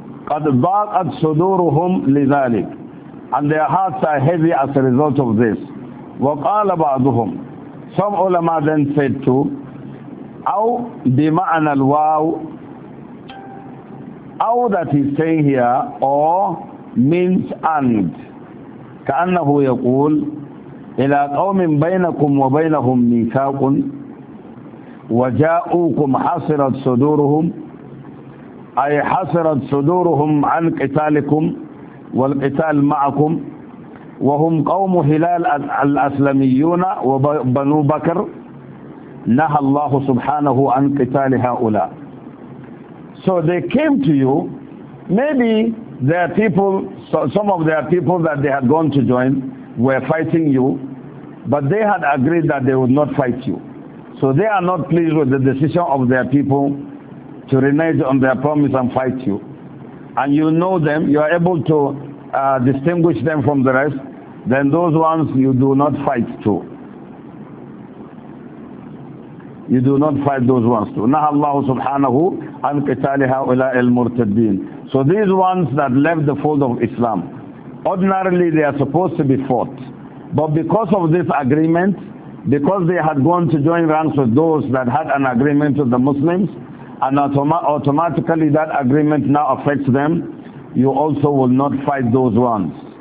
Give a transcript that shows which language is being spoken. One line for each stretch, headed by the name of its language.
Arabic: قد ضاقت صدورهم لذلك
English: and their hearts are heavy as a result of this.
Arabic: وقال بعضهم,
English: some ulama then said to,
Arabic: أو بمعنى الواو,
English: أو that he's saying here, or means and.
Arabic: كأنه يقول إلى قوم بينكم وبينهم ميثاق وجاءوكم حصرت صدورهم أي حصرت صدورهم عن قتالكم والقتال معكم وهم قوم هلال الأسلميون وبنو بكر نهى الله سبحانه عن قتال هؤلاء.
English: So they came to you, maybe their people, so some of their people that they had gone to join were fighting you, but they had agreed that they would not fight you. So they are not pleased with the decision of their people to renege on their promise and fight you. And you know them, you are able to distinguish them from the rest, then those ones you do not fight to. You do not fight those ones too.
Arabic: نهى الله سبحانه عن قتال هؤلاء المرتدين.
English: So these ones that left the fold of Islam, ordinarily they are supposed to be fought. But because of this agreement, because they had gone to join ranks with those that had an agreement with the Muslims, and automatically that agreement now affects them, you also will not fight those ones.